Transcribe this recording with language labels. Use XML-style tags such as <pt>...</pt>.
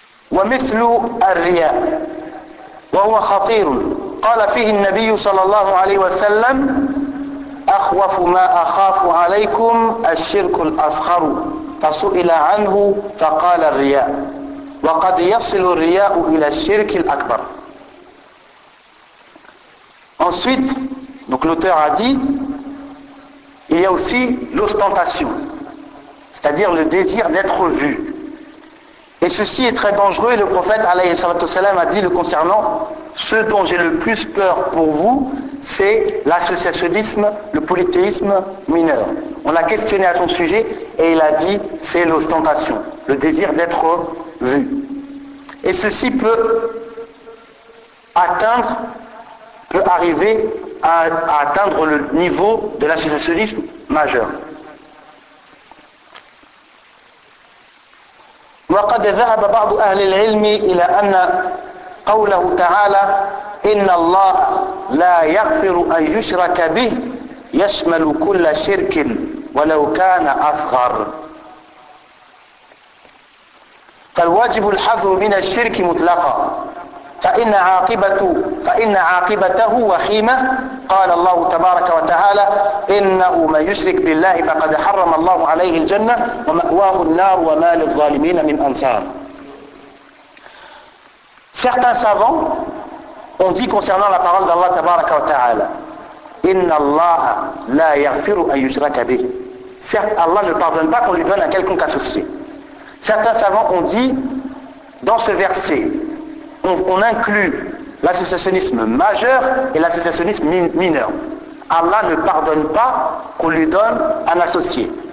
<ar>ومثل الرياء وهو خطير قال فيه النبي صلى الله عليه وسلم أخوف ما أخاف عليكم الشرك الأصغر فسئل عنه فقال الرياء وقد يصل الرياء إلى الشرك الأكبر.</ar> <fr>Ensuite, donc l'auteur a dit, il y a aussi l'ostentation, c'est-à-dire le désir d'être vu. Et ceci est très dangereux, et le prophète</fr> <ar>alayhi salatu wasalam</ar> <fr>a dit le concernant, ce dont j'ai le plus peur pour vous, c'est l'associationnisme, le polythéisme mineur. On l'a questionné à son sujet, et il a dit, c'est l'ostentation, le désir d'être vu. Et ceci peut atteindre, peut arriver à atteindre le niveau de l'associationnisme majeur.</fr> <ar>وقد ذهب بعض أهل العلم إلى أن قوله تعالى إن الله لا يغفر أن يشرك به يشمل كل شرك ولو كان أصغر فالواجب الحذر من الشرك مطلقا فإن عاقبته وخيمة قال الله تبارك وتعالى إنه من يشرك بالله فقد حرم الله عليه الجنة ومأواه النار وما للظالمين من أنصار.</ar> <fr>Certains savants ont dit concernant la parole d'Allah</fr> <ar>تبارك وتعالى إن الله لا يغفر أن يشرك به.</ar> <fr>Certes, Allah ne pardonne pas qu'on lui donne à quelconque associé. Certains savants ont dit dans ce verset, on inclut l'associationnisme majeur et l'associationnisme mineur. Allah ne pardonne pas qu'on lui donne un associé.</fr>